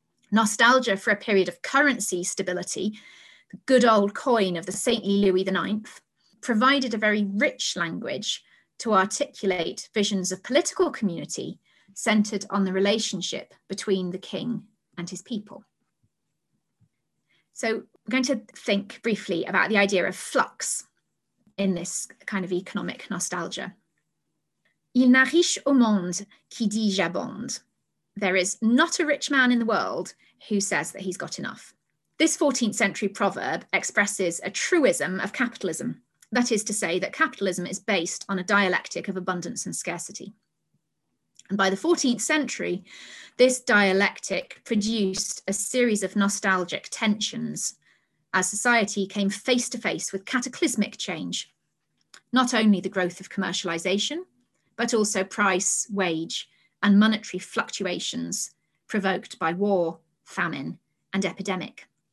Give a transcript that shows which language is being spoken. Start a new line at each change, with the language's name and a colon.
English: Nostalgia for a period of currency stability, the good old coin of the saintly Louis IX, provided a very rich language to articulate visions of political community centered on the relationship between the king and his people. So we're going to think briefly about the idea of flux in this kind of economic nostalgia.
French: Il n'a riche au monde qui dit j'abonde.
English: There is not a rich man in the world who says that he's got enough. This 14th century proverb expresses a truism of capitalism. That is to say that capitalism is based on a dialectic of abundance and scarcity. And by the 14th century, this dialectic produced a series of nostalgic tensions as society came face to face with cataclysmic change, not only the growth of commercialization, but also price, wage, and monetary fluctuations provoked by war, famine, and epidemic.